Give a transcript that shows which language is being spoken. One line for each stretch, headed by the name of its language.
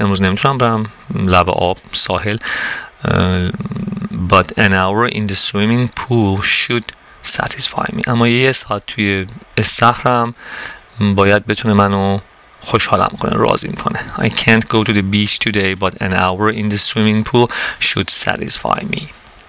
Persian: امروز نمیتونم برم لب آب ساحل.
English: But an hour in the swimming pool should satisfy me.
Persian: اما یه ساعت توی استخرم باید بتونه منو خوشحالم کنه، راضی میکنه.
English: I can't go to the beach today, but an hour in the swimming pool should satisfy me.